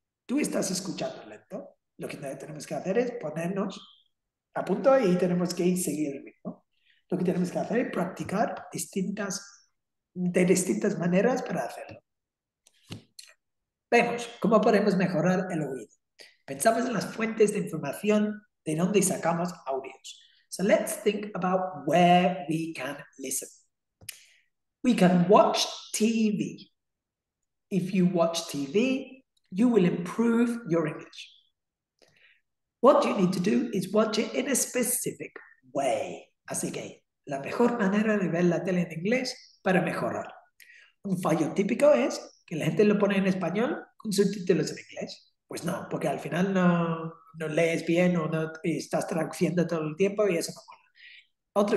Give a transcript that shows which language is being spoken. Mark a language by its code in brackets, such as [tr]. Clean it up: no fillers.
[es] Tú estás escuchando lento. Lo que tenemos que hacer es ponernos a punto y tenemos que seguir el ritmo. Lo que tenemos que hacer es practicar de distintas maneras para hacerlo. Vemos cómo podemos mejorar el oído. Pensamos en las fuentes de información de donde sacamos audios. [en] So let's think about where we can listen. We can watch TV. If you watch TV, you will improve your English. What you need to do is watch it in a specific way. [es] Así que la mejor manera de ver la tele en inglés para mejorar. Un fallo típico es que la gente lo pone en español con subtítulos en inglés. Pues no, porque al final no lees bien o no estás traduciendo todo el tiempo y eso no mola.